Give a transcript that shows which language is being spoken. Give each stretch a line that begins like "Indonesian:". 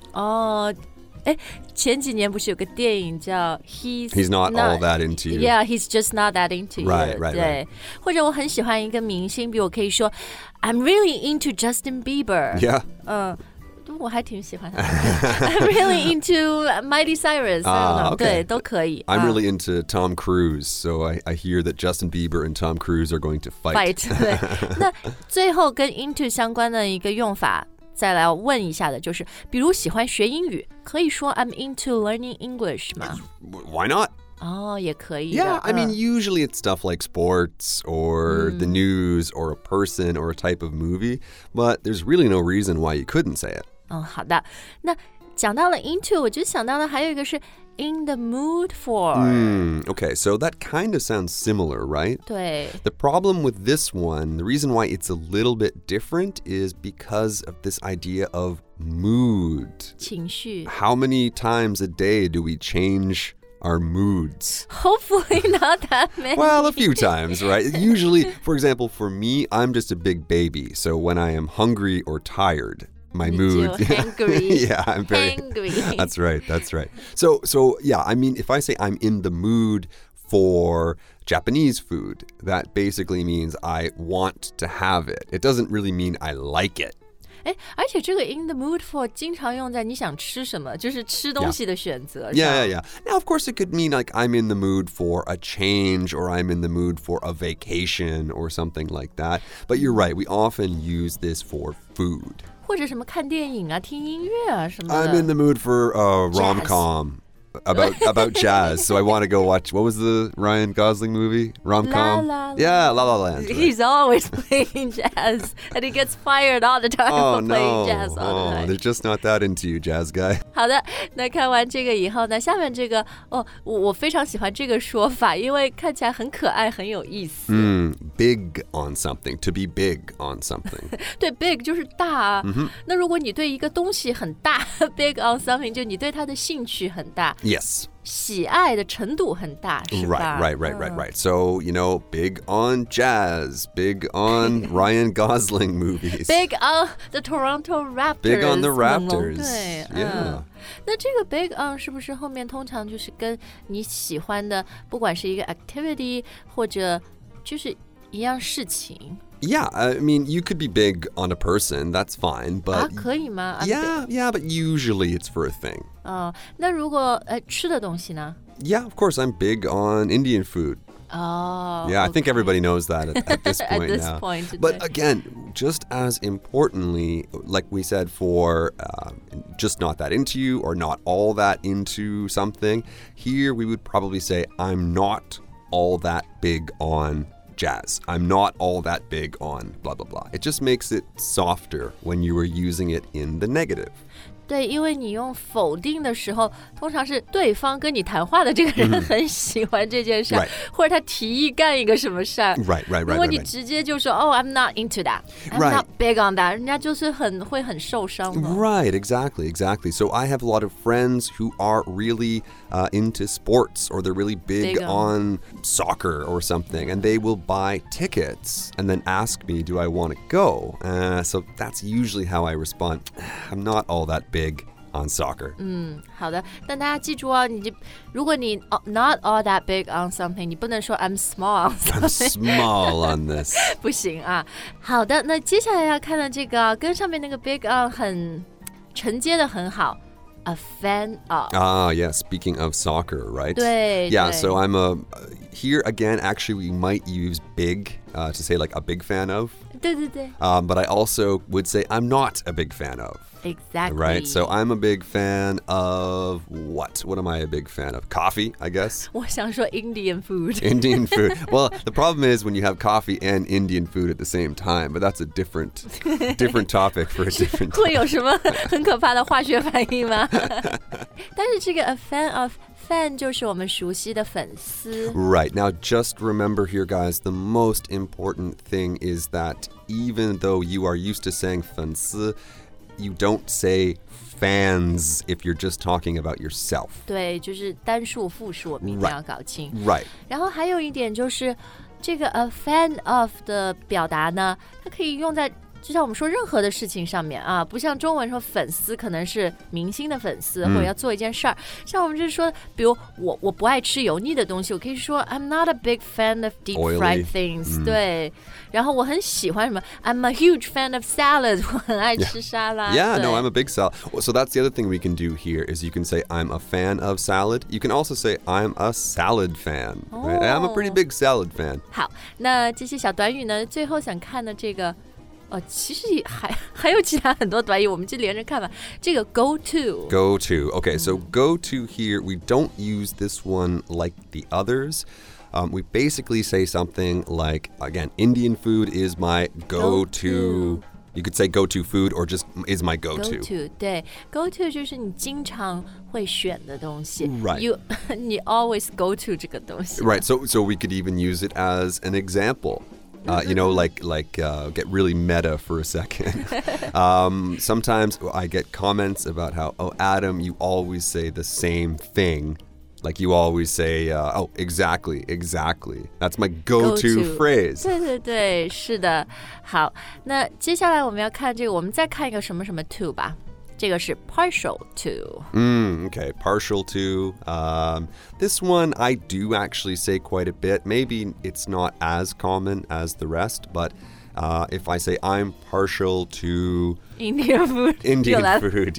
English: Oh,
Chinese: 前几年不是有个电影叫
English: He's not all that into you. Yeah, he's just not that into you. Right.
Chinese: 或者我很喜欢一个明星，比如我可以说
English: I'm really into Justin Bieber. Yeah.
Chinese: 我还挺喜欢他的。
English: I'm really into Miley Cyrus. Okay.
Chinese: 对，都可以。
English: I'm really into Tom Cruise, so I hear that Justin Bieber and Tom Cruise are going to fight. Fight, 对。
Chinese: 那最后跟 into 相关的一个用法再来问一下的就是比如喜欢学英语可以说
English: I'm into learning English
Chinese: 吗
English: Why not?
Chinese: 也可以。
English: Yeah, I mean, usually it's stuff like sports or the news or a person or a type of movie, but there's really no reason why you couldn't say it.
Chinese: 好的。那讲到了 into, 我就想到了还有一个是 in the mood for.
English: Okay, so that kind of sounds similar, right?
Chinese: 对。
English: The problem with this one, the reason why it's a little bit different is because of this idea of mood.
Chinese: 情绪。
English: How many times a day do we change... our moods. Hopefully not that many. Well, a few times, right? Usually, for example, for me, I'm just a big baby. So when I am hungry or tired, my mood... I'm very hangry. That's right. So, I mean, if I say I'm in the mood for... Japanese food, that basically means I want to have it. It doesn't really mean I like it.
Chinese: 而且这个 in the mood for 经常用在你想吃什么就是吃东西的选择。
English: Yeah. Now, of course, it could mean like I'm in the mood for a change or I'm in the mood for a vacation or something like that. But you're right, we often use this for food.
Chinese: 或者什么看电影啊听音乐啊什么的。
English: I'm in the mood for a rom-com. about jazz. So I want to go watch, what was the Ryan Gosling movie? Rom-com? La La Land. Yeah, La La Land. Right? He's always playing jazz. And he gets fired all the time for playing jazz all the time. They're just not that into you, jazz guy.
Chinese: 好的，那看完这个以后呢，下面这个，哦，我非常喜欢这个说法，因为看起来很可爱，很有意思。
English: Mm, big on something, to be big on something.
Chinese: 对 ,big 就是大。Mm-hmm. 那如果你对一个东西很大 ,big on something, 就你对它的兴趣很大。
English: Yes.
Chinese: 喜爱的程度很大，是吧？
English: Right. So, you know, big on jazz, big on Ryan Gosling movies. Big on the Toronto Raptors. Big on the Raptors.
Chinese: 对 yeah. 那这个 big on 是不是后面通常就是跟你喜欢的，不管是一个 activity 或者就是一样事情？
English: Yeah, I mean, you could be big on a person, that's fine, but...
Chinese: 啊,可以吗?
English: Yeah, but usually it's for a thing.
Chinese: 哦,那如果吃的东西呢?
English: Yeah, of course, I'm big on Indian food. Oh, okay. I think everybody knows that at this point. at this now. point. But again, just as importantly, like we said, for just not that into you or not all that into something, here we would probably say, I'm not all that big on... jazz. I'm not all that big on blah blah blah. It just makes it softer when you are using it in the negative.
Chinese: 对，因为你用否定的时候，通常是对方跟你谈话的这个人很喜欢这件事儿， mm-hmm. 或者他提议干一个什么事儿。
English: Right.
Chinese: 如果你直接就说
English: Oh, I'm not into that. I'm right. not big on that.
Chinese: 人家就是很会很受伤的。
English: Right. Exactly. So I have a lot of friends who are really into sports, or they're really big on soccer or something, and they will buy tickets and then ask me, "Do I want to go?" So that's usually how I respond. I'm not all that. Big on soccer.
Chinese: 嗯，好的。但大家记住啊，你就如果你
English: not all that big on something,
Chinese: 你不能说
English: I'm small on something. I'm small on this.
Chinese: 不行啊。好的，那接下来要看的这个，跟上面那个 big on 很承接的很好。
English: A fan of. Ah, yeah. Speaking of soccer, right? 对。 Yeah. So I'm a. Here again, actually, we might use big to say like a big fan of.
Chinese: 对对对。
English: But I also would say I'm not a big fan of. Exactly. Right, so I'm a big fan of what? What am I a big fan of? Coffee, I guess.
Chinese: 我想说 Indian food.
English: Indian food. Well, the problem is when you have coffee and Indian food at the same time, but that's a different topic for a different time.
Chinese: 会有什么很可怕的化学反应吗？但是这个 a fan of... Fan 就是我们熟悉的粉丝。
English: Right, now just remember here guys, the most important thing is that even though you are used to saying 粉丝, you don't say fans if you're just talking about yourself.
Chinese: 对,就是单数复数我们一定要搞清。
English: Right.
Chinese: 然后还有一点就是这个 a fan of 的表达呢,它可以用在就像我们说任何的事情上面啊，不像中文说粉丝可能是明星的粉丝、mm. 或者要做一件事儿。像我们就是说，比如我不爱吃油腻的东西，我可以说
English: I'm not a big fan of deep fried things、
Chinese: 对、mm. 然后我很喜欢什么
English: I'm a huge fan of salad
Chinese: 我很爱吃沙拉
English: Yeah, no, I'm a big salad. So that's the other thing we can do here is you can say I'm a fan of salad. You can also say I'm a salad fan、 right? I'm a pretty big salad fan.
Chinese: 好，那这些小短语呢，最后想看的这个哦、其实 还有其他很多短语，我们就连着看吧。这个 go to。
English: Go to, okay, so go to here, we don't use this one like the others. We basically say something like, again, Indian food is my go-to. You could say go-to food or just is my go-to. Go-to, 对。
Chinese: Go-to 就是你经常会选的东西。
English: Right. You always go to
Chinese: 这个东西。
English: Right, so we could even use it as an example. You know, like, get really meta for a second. Sometimes I get comments about how, oh, Adam, you always say the same thing. Like, you always say, exactly. That's my go-to phrase.
Chinese: 对对对，是的。好，那接下来我们要看这个，我们再看一个什么什么 to 吧。这个是 partial to.
English: Okay, partial to. This one I do actually say quite a bit. Maybe it's not as common as the rest, but if I say I'm partial to... Indian food.